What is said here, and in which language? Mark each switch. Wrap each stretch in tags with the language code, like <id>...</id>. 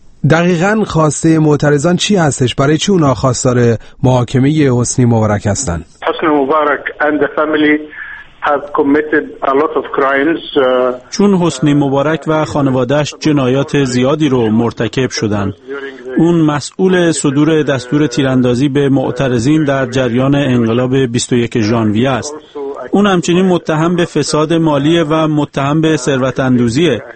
<fa>دقیقاً خواسته معترضان چی هستش؟ برای چی اونا خواستار محاکمه حسنی مبارک هستن؟</fa> <en>Hosni Mubarak and the family have committed a lot of crimes.</en> <fa>چون حسنی مبارک و خانواده‌اش جنایات زیادی رو مرتکب شدن. اون مسئول صدور دستور تیراندازی به معترضین در جریان انقلاب 21 ژانویه است. اون همچنین متهم به فساد مالیه و متهم به ثروت اندوزیه.</fa>